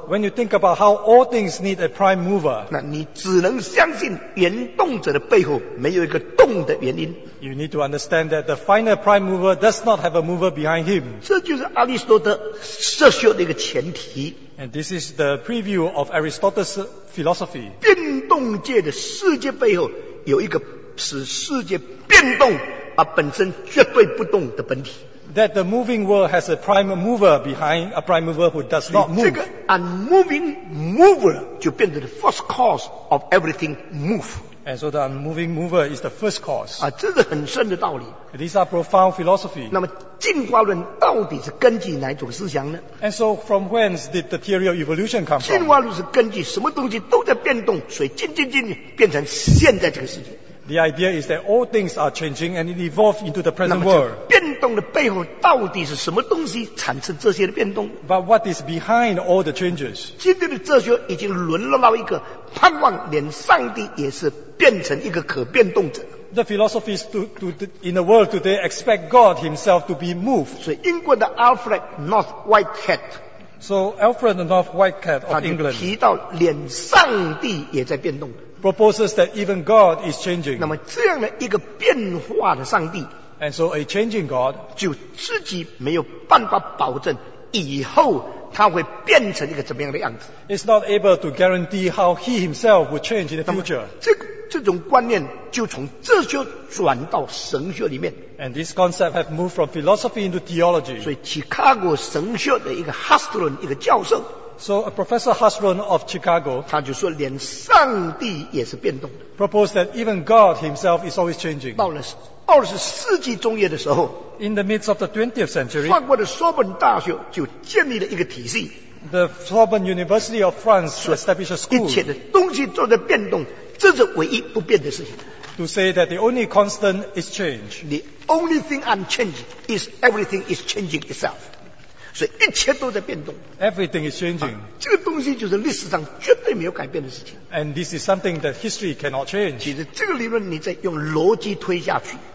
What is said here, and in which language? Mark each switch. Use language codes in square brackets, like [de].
[en] When you think about how all things need a prime mover, [zh] 那你只能相信原动者的背后没有一个动的原因。 [en] You need to understand that the final prime mover does not have a mover behind him. [zh] 这就是阿里士多德设修的一个前提。 [en] And this is the preview of Aristotle's philosophy. [zh] 变动界的世界背后有一个使世界变动而本身绝对不动的本体。 [en] That the moving world has a prime mover behind, a prime mover who does not move. [zh] 这个 [en] unmoving mover [zh] 就变成 [en] the first cause of everything move. And so the unmoving mover is the first cause. [zh] 啊，这是很深的道理。 [en] These are profound philosophy. [zh] 那么进化论到底是根据哪种思想呢？ [en] And so from whence did the theory of evolution come from? [zh] 进化论是根据什么东西都在变动，所以进变成现在这个世界。 [en] The idea is that all things are changing and it evolves into the present world. [zh] 那么变动的背后到底是什么东西产生这些的变动？ [en] But what is behind all the changes? [zh] 今天的哲学已经沦落到一个盼望连上帝也是变成一个可变动者。 [en] The philosophies in the world today expect God himself to be moved. [zh] 所以英国的 Alfred North Whitehead, [en] So Alfred North Whitehead of England, [zh] 他就提到连上帝也在变动。 [en] Proposes that even God is changing. [zh] 那么这样的一个变化的上帝， [en] And so a changing God, [zh] 就自己没有办法保证以后他会变成一个怎么样的样子。 [en] Is not able to guarantee how he himself will change in the future. [zh] 这种观念就从哲学转到神学里面。 [en] And this concept has moved from philosophy into theology. [zh] 所以，Chicago 神学的一个 Hastron 一个教授。 [en] So a professor Hastron of Chicago, [zh] 他就说连上帝也是变动的。 [en] Proposed that even God himself is always changing. [zh] 到了20世纪中叶的时候， [en] In the midst of the 20th century, [zh] 法国的索本大学就建立了一个体系。 [en] The Sorbonne University of France established a school. [zh] 一切的东西都在变动，这是唯一不变的事情。 [en] To say that the only constant is change. The only thing unchanged is everything is changing itself. [zh] 所以一切都在变动。 [en] Everything is changing. [zh] 这个东西就是历史上绝对没有改变的事情。 [en] And this is something that history cannot change. [zh] 其实这个理论你再用逻辑推下去。